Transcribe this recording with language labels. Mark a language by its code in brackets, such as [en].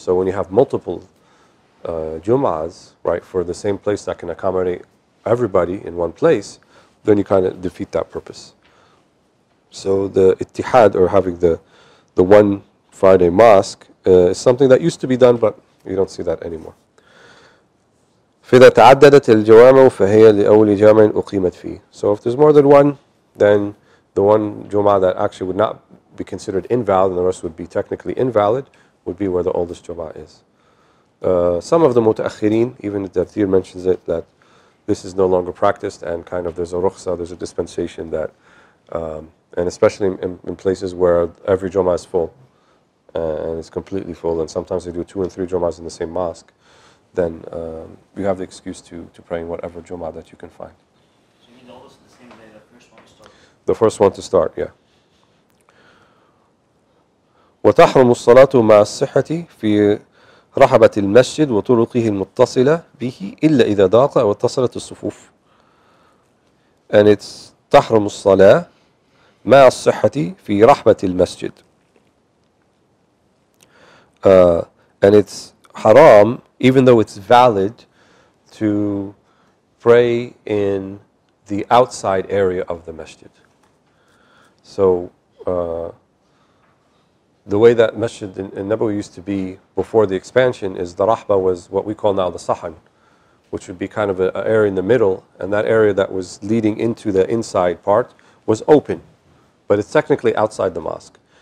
[en] So when you have multiple Jummas, right, for the same place that can accommodate everybody in one place, then you kind of defeat that purpose. So the Ittihad, or having the one Friday mosque, is something that used to be done, but you don't see that anymore. [ar] فإذا تعددت الجوامع فهي لأول جامع أقيمت فيه. [en] So if there's more than one, then the one Jummah that actually would not be considered invalid, and the rest would be technically invalid, would be where the oldest Jummah is. Some of the mutaakhirin, even the Tafsir mentions it, that this is no longer practiced, and kind of there's a rukhsa, there's a dispensation that, and especially in places where every Jummah is full, and it's completely full, and sometimes they do two and three Jummahs in the same mosque, then you have the excuse to pray in whatever Jummah that you can find. So you mean the oldest the same day, the first one to start? The first one to start, yeah. [ar] وتحرم الصلاة مع الصحة في رحبة المسجد وطرقه المتصلة به إلا إذا ضاق واتصلت الصفوف. [en] And it's [ar] تحرم الصلاة مع الصحة في رحبة المسجد. [en] And it's haram, even though it's valid, to pray in the outside area of the masjid. So, the way that masjid in Nabawi used to be before the expansion is the rahba was what we call now the sahan, which would be kind of an area in the middle, and that area that was leading into the inside part was open, but it's technically outside the mosque.